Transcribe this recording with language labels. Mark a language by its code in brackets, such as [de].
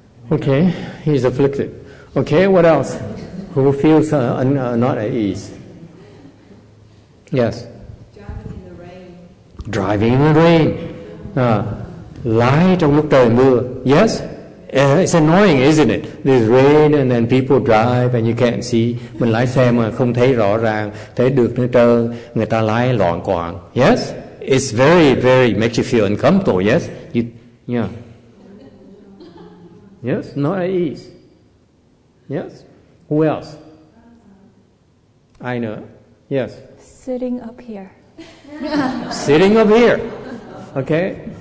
[en] Okay, he's afflicted. Okay, what else? Who feels not at ease? Yes. Driving in the rain. [vi] Lái trong lúc trời mưa. [en] Yes? It's annoying, isn't it? There's rain and then people drive and you can't see. [vi] Mình lái xe mà không thấy rõ ràng, thấy được nữa trơn, người ta lái loạn quạng. [en] Yes? It's very, very, makes you feel uncomfortable, yes? Yeah. Yes? Not at ease. Yes? Who else? I know. Yes? Sitting up here. Sitting up here. Okay?